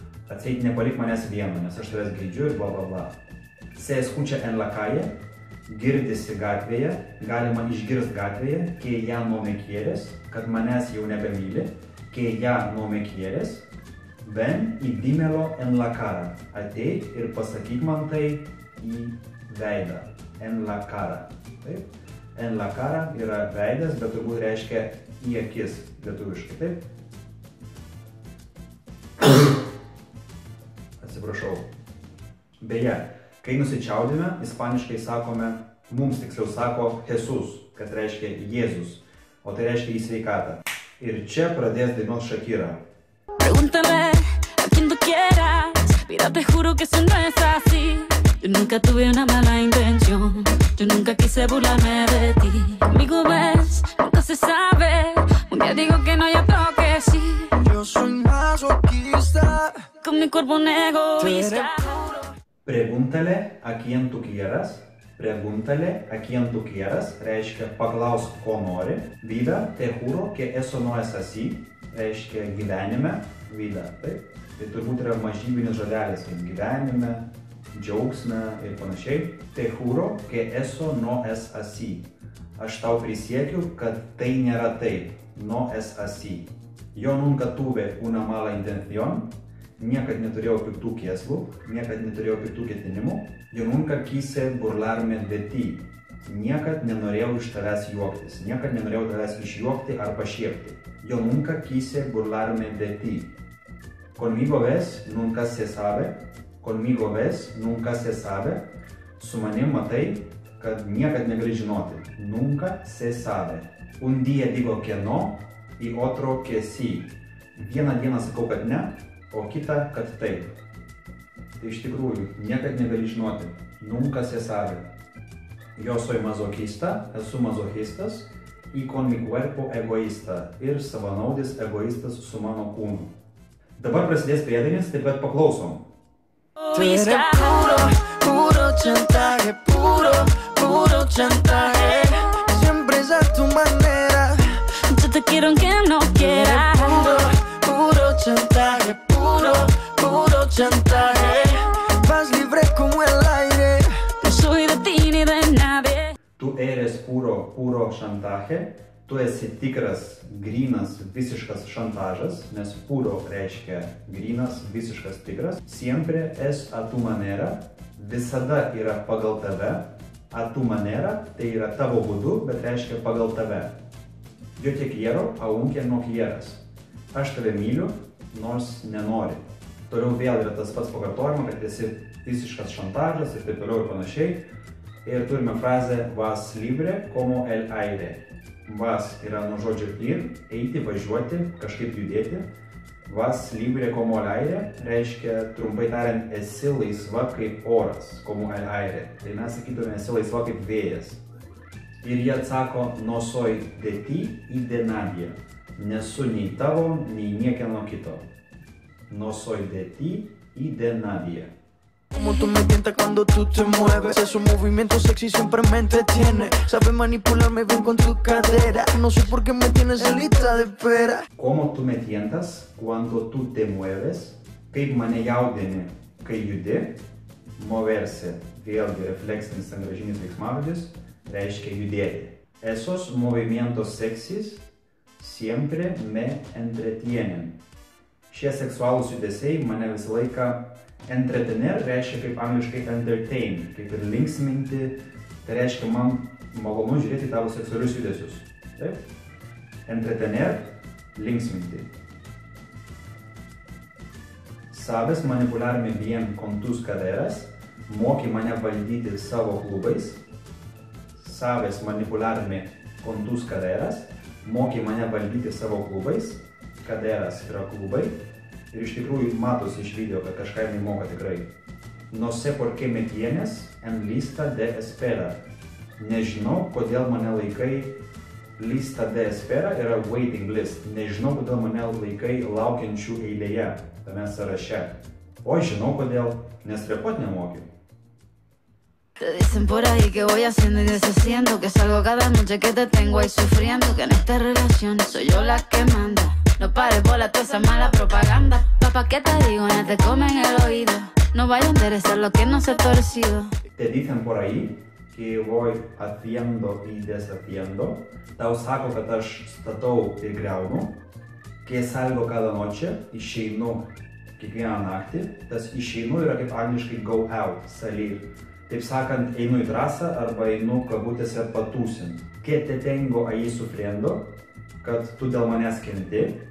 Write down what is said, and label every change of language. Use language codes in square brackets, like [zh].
[lt] Atseit, nepalik manęs vieną, nes aš tavęs geidžiu ir bla bla bla. [es] Se escucha en la calle, [lt] girdisi gatvėje, galima išgirst gatvėje, [es] que ya no me quieres, [lt] kad manęs jau nebemyli, [es] que ya no me quieres, ven y dímelo en la cara, [lt] ateik ir pasakyk man tai į veidą, [es] en la cara, [lt] taip, en la cara yra veidas, bet turbūt reiškia į akis lietuviškai, taip, atsiprašau, beje, kai nusičiaudime, ispaniškai sakome, mums tiksliau sako Jesus, kad reiškia Jėzus, o tai reiškia į sveikatą. Ir čia pradės dainos Shakira. [es] Pregúntame a quien tu quieras, mira te juro que eso no es así. Yo nunca tuve una mala intención, yo nunca quise burlarme de ti. Amigo ves, nunca se sabe, un día digo que no y otro que sí. Yo soy masoquista, con mi cuerpo un egoísta. Pregúntale a quien tu quieras. Pregúntale a quien tu quieras. [lt] Reiškia paklaus, ko nori. [es] Vida, te juro, que eso no es así. [lt] Reiškia gyvenime. Vida, taip. Tai turbūt yra mažybinis žodelis. Gyvenime, džiaugsme ir panašiai. [es] Te juro, que eso no es así. [lt] Aš tau prisiekiu, kad tai nėra taip. [es] No es así. Yo nunca tuve una mala intención. [lt] Niekad neturėjau piktų kėslų, niekad neturėjau piktų ketinimų. [es] Yo nunca quise burlarme de ti. [lt] Niekad nenorėjau iš tavęs juoktis. Niekad nenorėjau tavęs išjuokti ar pašiepti. [es] Yo nunca quise burlarme de ti. Conmigo ves, nunca se sabe. Conmigo ves, nunca se sabe. [lt] Su manim matai, kad niekad negali žinoti. [es] Nunca se sabe. Un día digo que no, y otro que sí. [lt] Vieną dieną sakau, kad ne, o kita, kad taip. Tai iš tikrųjų, niekad negali žinoti. [es] Nunca se sabe. Yo soy masoquista, [lt] esu masochistas, [es] y con mi cuerpo egoísta. [lt] Ir savanaudis egoístas su mano kūnu. Dabar prasidės priedainis, taip pat paklausom. [es] Tu eres puro, puro chantaje, puro, puro chantaje. Siempre es a tu manera. Yo te quiero aunque no quiera. Puro, puro chantaje, puro. Puro chantaje. Vas libre como el aire. No soy de ti ni de nadie. Tu eres puro, puro chantaje. [lt] Tu esi tikras, grynas, visiškas šantažas. Nes puro reiškia grynas, visiškas tikras. [es] Siempre es a tu manera. [lt] Visada yra pagal tave. [es] A tu manera, [lt] tai yra tavo būdu, bet reiškia pagal tave. [es] Yo te quiero, aunque no quieras. [lt] Aš tave myliu, nors nenori. Toliau vėl yra tas pats pakartojimas, kad esi visiškas šantažas ir taip toliau ir panašiai. Ir turime frazę [es] vas libre como el aire. [lt] Vas yra nuo žodžio ir, eiti, važiuoti, kažkaip judėti. [es] Vas libre como el aire [lt] reiškia, trumpai tariant, esi laisva kaip oras, [es] como el aire. [lt] Tai mes sakytume, esi laisva kaip vėjas. Ir jie atsako, [es] no soy de ti y de nadie. [lt] Nesu nei tavo, nei niekieno kito. [es] No soy de ti y de nadie. Como tú me tientas cuando tú te mueves. Es un movimiento sexy, siempre me entretiene. Sabe manipularme bien con tu cadera. No sé por qué me tienes en lista de espera. Como tú me tientas cuando tú te mueves. [lt] Kaip mane jaudini, kai judi. Moverse, vėlgi refleksinis angražinis veiksmavardis, reiškia judėti. [es] Esos movimientos sexy siempre me entretienen. [lt] Šie seksualūs judesiai mane visą laiką entretener reiškia kaip angliškai entertain, kaip ir linksminti, tai reiškia man malonu žiūrėti tavo seksualius judesius. Taip? Entretener, linksminti. [es] Sabes manipularmi bien con tus caderas, [lt] moki mane valdyti savo klubais. [es] Sabes manipularmi con tus caderas, [lt] moki mane valdyti savo klubais. Caderas yra klubai. Ir iš tikrųjų matosi iš video, kad kažką jį moka tikrai. [es] No sé por qué me tienes en lista de espera. [lt] Nežinau, kodėl mane laikai [es] lista de espera [lt] yra waiting list. Nežinau, kodėl mane laikai laukiančių eilėje tame sąraše. O žinau, kodėl, nes repot nemoki. [es] Te dicen por ahí que voy haciendo y deshaciendo, que salgo cada noche que te tengo ahí sufriendo, que en esta relación soy yo la que manda. No pares bola toda esa mala propaganda. Papá, ¿qué te digo? No te comen el oído. No vaya a enderezar lo que no se ha torcido. Te dicen por ahí que voy haciendo y deshaciendo. [lt] Tau saco que aš statau ir griaunu. [es] Que salgo cada noche [lt] y išeinu kiekvieną naktį. Tas išeinu yra kaip angliškai go out, salir. Taip sakant, einu į drąsą arba einu kabutėse patūsint. [es] Que te tengo ahí sufriendo, [lt] kad tu dėl manęs kenti.